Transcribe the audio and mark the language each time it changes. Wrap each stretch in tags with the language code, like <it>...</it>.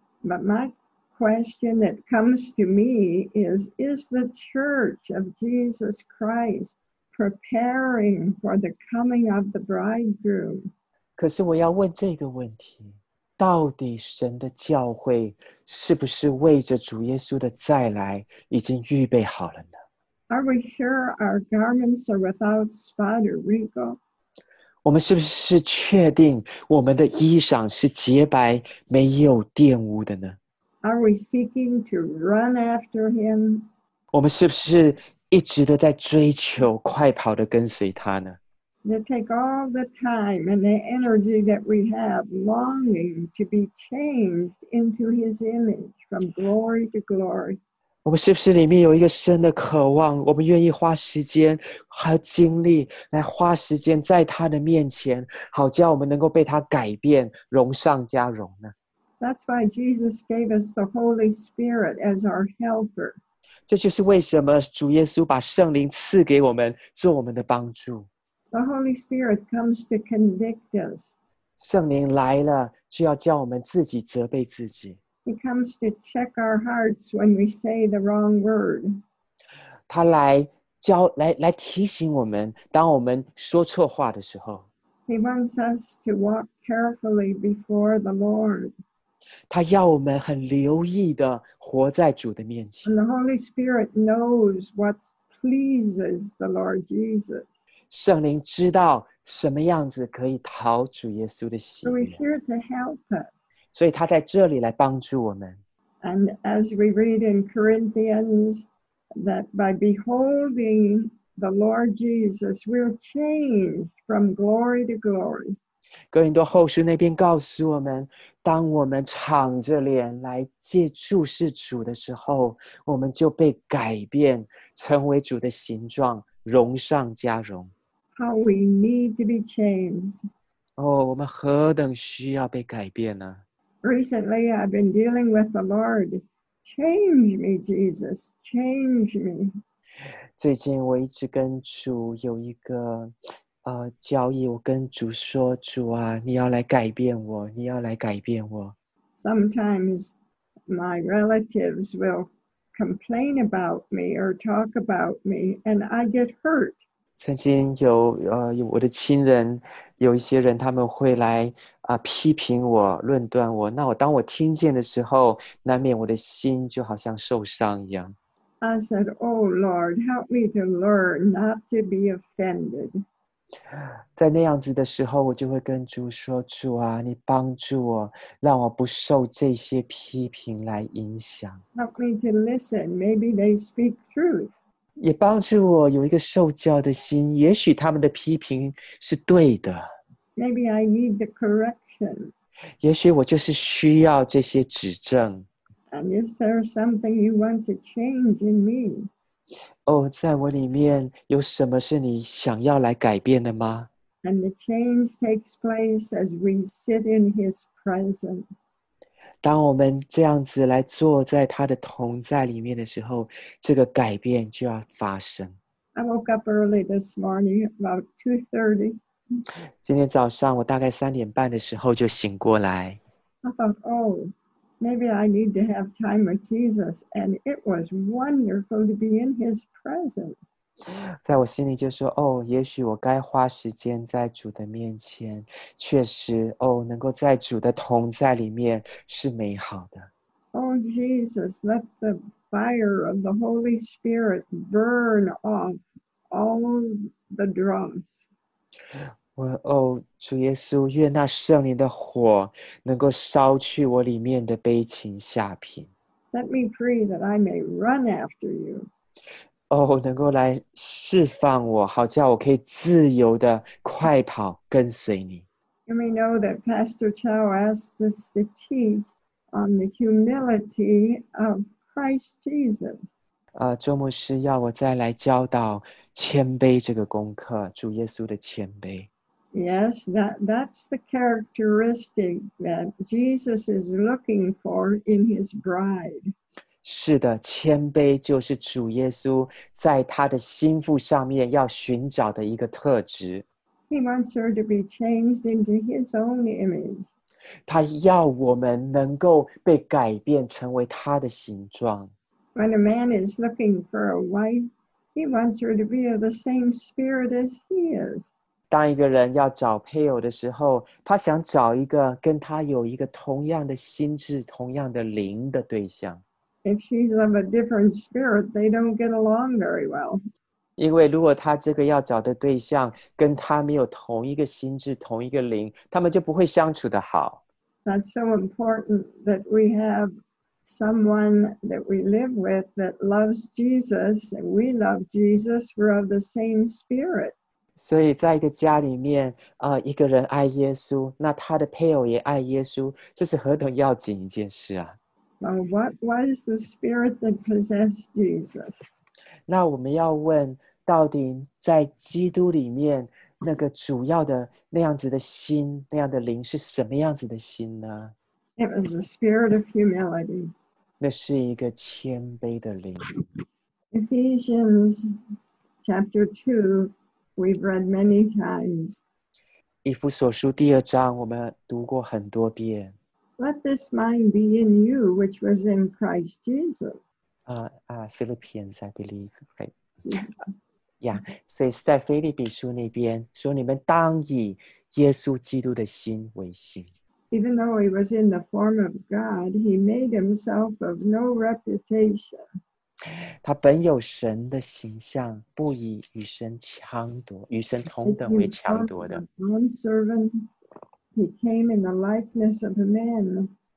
<en>But my question that comes to me is the Church of Jesus Christ preparing for the coming of the bridegroom?</en> <zh>可是我要问这个问题。到底神的教会是不是为着主耶稣的再来已经预备好了呢？</zh> <en>Are we sure our garments are without spot or wrinkle?</en> <zh>我们是不是确定我们的衣裳是洁白没有玷污的呢？</zh> <en>Are we seeking to run after him?</en> <zh>我们是不是一直的在追求快跑的跟随他呢？</zh> <en>To take all the time and the energy that we have longing to be changed into his image from glory to glory.</en> <zh>我们是不是里面有一个深的渴望，我们愿意花时间和精力来花时间在他的面前，好叫我们能够被他改变，荣上加荣呢？</zh> <en>That's why Jesus gave us the Holy Spirit as our helper.</en> <zh>这就是为什么主耶稣把圣灵赐给我们，做我们的帮助。</zh> <en>The Holy Spirit comes to convict us.</en> <zh>圣灵来了，就要叫我们自己责备自己。</zh> <en>He comes to check our hearts when we say the wrong word.</en> <zh>他来教来提醒我们，当我们说错话的时候。</zh> <en>He wants us to walk carefully before the Lord.</en> <zh>他要我们很留意的活在主的面前。</zh> <en>And the Holy Spirit knows what pleases the Lord Jesus.</en> <zh>圣灵知道什么样子可以讨主耶稣的喜悦。</zh> <en>So he's here to help us.</en> <zh>所以他在这里来帮助我们。</zh> <en>And as we read in Corinthians, that by beholding the Lord Jesus, we're changed from glory to glory.</en> <zh>哥林多后书那边告诉我们，当我们敞着脸来借注视主的时候，我们就被改变，成为主的形状，荣上加荣。</zh> <en>How we need to be changed.</en> <zh>哦，我们何等需要被改变呢？</zh> <en>Recently, I've been dealing with the Lord. Change me, Jesus. Change me.</en> <zh>最近我一直跟主有一个交易。我跟主说，主啊，你要来改变我，你要来改变我。</zh> <en>Sometimes my relatives will complain about me or talk about me, and I get hurt.</en> <zh>曾经有我的亲人，有一些人他们会来批评我、论断我。那我当我听见的时候，难免我的心就好像受伤一样。</zh> <en>I said, "Oh Lord, help me to learn not to be offended."</en> <zh>在那样子的时候，我就会跟主说：“主啊，你帮助我，让我不受这些批评来影响。</zh> <en>”Help me to listen. Maybe they speak truth.</en> <zh>也帮助我有一个受教的心，也许他们的批评是对的。</zh> <en>Maybe I need the correction.</en> <zh>也许我就是需要这些指正。</zh> <en>And is there something you want to change in me?</en> <zh>在我里面有什么是你想要来改变的吗？</zh> <en>And the change takes place as we sit in his presence.</en> <zh>当我们这样子来坐在他的同在里面的时候，这个改变就要发生。</zh> <en>I woke up early this morning, about 2:30.</en> <zh>今天早上我大概3:30的时候就醒过来。</zh> <en>I thought, oh, maybe I need to have time with Jesus, and it was wonderful to be in his presence.</en> <zh>在我心里就说，也许我该花时间在主的面前，确实，能够在主的同在里面是美好的。</zh> <en>Oh, Jesus, let the fire of the Holy Spirit burn off all the dross.</en> <zh>主耶稣，愿那圣灵的火能够烧去我里面的悲情下品。</zh> <en>Set me free that I may run after you.</en> <zh>能够来释放我，好叫我可以自由的快跑跟随你。</zh> <en>You may know that Pastor Chow asked us to teach on the humility of Christ Jesus.</en> <zh>周牧师要我再来教导谦卑这个功课，主耶稣的谦卑。</zh> <en>Yes, that's the characteristic that Jesus is looking for in his bride.</en> <zh>是的，谦卑就是主耶稣在他的心腹上面要寻找的一个特质。</zh> <en>He wants her to be changed into his own image.</en> <zh>他要我们能够被改变成为他的形状。</zh> <en>When a man is looking for a wife, he wants her to be of the same spirit as he is.</en> <zh>当一个人要找配偶的时候，他想找一个跟他有一个同样的心智、同样的灵的对象。</zh> <en>If she's of a different spirit, they don't get along very well.</en> <zh>因为如果他这个要找的对象跟他没有同一个心智、同一个灵，他们就不会相处得好。</zh> <en>That's so important that we have someone that we live with that loves Jesus and we love Jesus. We're of the same spirit.</en> <zh>所以在一个家里面，一个人爱耶稣，那他的配偶也爱耶稣，这是何等要紧一件事啊！</zh> <en>What is the spirit that possessed Jesus?</en> <zh>那我们要问，到底在基督里面那个主要的那样子的心，那样的灵是什么样子的心呢？</zh> <en>It was the spirit of humility.</en> <zh>那是一个谦卑的灵。</zh> <en>Ephesians chapter 2, we've read many times.</en> <zh>以弗所书第二章我们读过很多遍。</zh> <en>Let this mind be in you, which was in Christ Jesus. Philippians, I believe, right?</en> <zh>Yeah, 所以是在腓立比书那边说你们当以耶稣基督的心为心。</zh> <en>Even though he was in the form of God, he made himself of no reputation.</en> <zh>他本有神的形象，不以与神强夺，与神同等为强夺的。</zh> <en>Bondservant, he came in the likeness of a man.</en>